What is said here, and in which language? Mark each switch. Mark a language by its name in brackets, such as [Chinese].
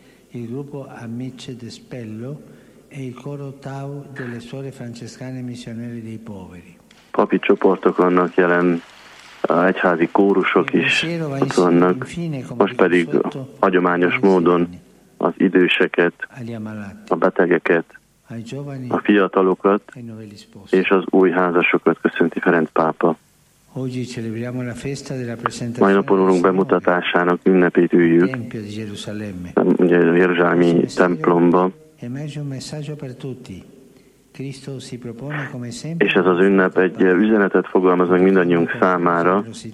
[Italian] Il gruppo Amici de Spello e il coro Tau delle suore francescane missionarie dei poveri. [Hungarian] Papi csoportok vannak jelen, egyházi kórusok is ott vannak, most pedig hagyományos módon az időseket, a betegeket, a fiatalokat és az új házasokat köszönti Ferenc pápa. [Italian] Oggi celebriamo la festa della presentazione. [Hungarian] Mai napon urunk bemutatásának ünnepét üljük. [Italian] Tempio di Gerusalemme. [Hungarian] Ugye a jeruzsálemi templomba. [Italian] Emerge un messaggio per tutti. Cristo si propone come sempre. [Hungarian] És ez az ünnep egy üzenetet fogalmaz meg mindannyiunk számára.